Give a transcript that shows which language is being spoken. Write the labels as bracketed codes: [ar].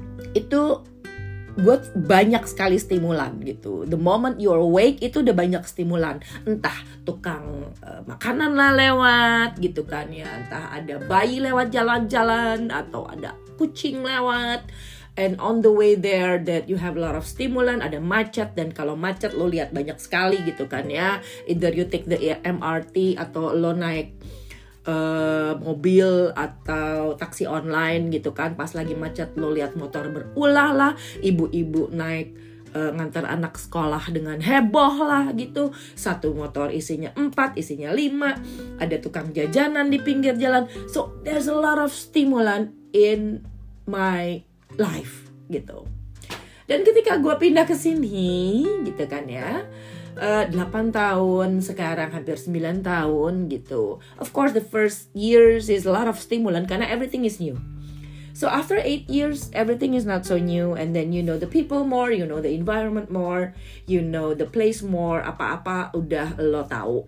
[id] Itu buat banyak sekali stimulan gitu. [en] The moment you awake [id] itu udah banyak stimulan. Entah tukang makanan lah lewat gitu kan ya. Entah ada bayi lewat jalan-jalan atau ada kucing lewat. [en] And on the way there that you have a lot of stimulan, [id] ada macet. Dan kalau macet lo lihat banyak sekali gitu kan ya. [en] Either you take the MRT [id] atau lo naik mobil atau taksi online gitu kan. Pas lagi macet lo lihat motor berulah lah, ibu-ibu naik ngantar anak sekolah dengan heboh lah gitu. Satu motor isinya 4, isinya 5. Ada tukang jajanan di pinggir jalan. [en] So there's a lot of stimulan in my life gitu. [id] Dan ketika gue pindah ke sini gitu kan ya, 8 tahun sekarang, hampir 9 tahun gitu. [en] Of course the first years is a lot of stimulan karena everything is new. So after 8 years everything is not so new, and then you know the people more, you know the environment more, you know the place more, [id] apa-apa udah lo tahu.